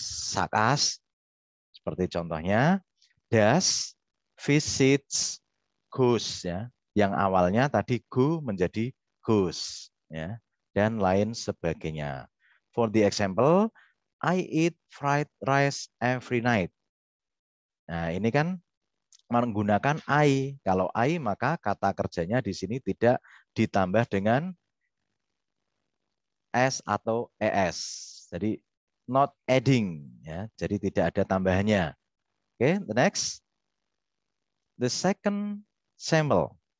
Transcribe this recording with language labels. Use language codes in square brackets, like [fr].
[en] Such as, [id] seperti contohnya, does, visits, goes, ya, yang awalnya tadi go menjadi goes, ya, dan lain sebagainya. [en] For the example, I eat fried rice every night. [id] Nah, ini kan menggunakan I. Kalau I, maka kata kerjanya di sini tidak ditambah dengan s atau es. Jadi [en] not adding, [id] ya. Jadi tidak ada tambahannya. [en] Oke, okay, the next. The second sample.